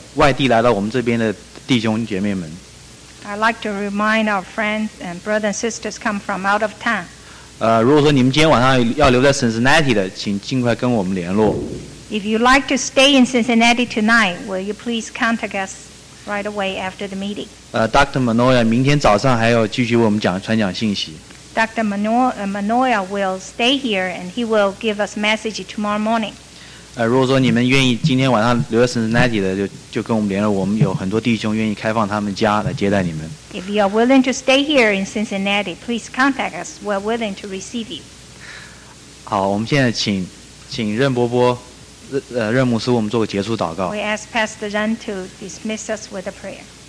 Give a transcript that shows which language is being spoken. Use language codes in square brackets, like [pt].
[zh] 还没休息以前，我先提醒外地来到我们这边的弟兄姐妹们。 [en] I'd like to remind our friends and brothers and sisters come from out of town. [zh] 如果说你们今天晚上要留在 Cincinnati 的，请尽快跟我们联络。 [en] If you'd like to stay in Cincinnati tonight, will you please contact us right away after the meeting? [zh] Dr. Manoia 明天早上还要继续为我们讲传讲信息。 [en] Dr. Manoia will stay here and he will give us message tomorrow morning. [zh] 如果说你们愿意今天晚上留在Cincinnati的，就跟我们联络，我们有很多弟兄愿意开放他们家来接待你们。 [en] If you are willing to stay here in Cincinnati, please contact us. We're willing to receive you. [zh] 好，我们现在请任牧师，我们做个结束祷告。 [en] We ask Pastor Ren to dismiss us with a prayer.